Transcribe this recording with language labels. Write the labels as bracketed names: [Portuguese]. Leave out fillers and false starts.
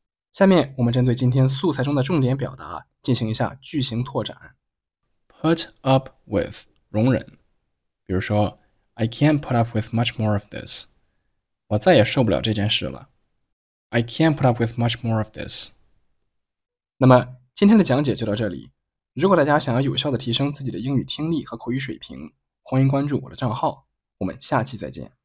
[Chinese] 下面我们针对今天素材中的重点表达进行一下句型拓展。 [English] Put up with, [Chinese] 容忍。比如说 [English] I can't put up with much more of this. [Chinese] 我再也受不了这件事了。 [English] I can't put up with much more of this. [Chinese] 那么今天的讲解就到这里。如果大家想要有效地提升自己的英语听力和口语水平，欢迎关注我的账号。我们下期再见。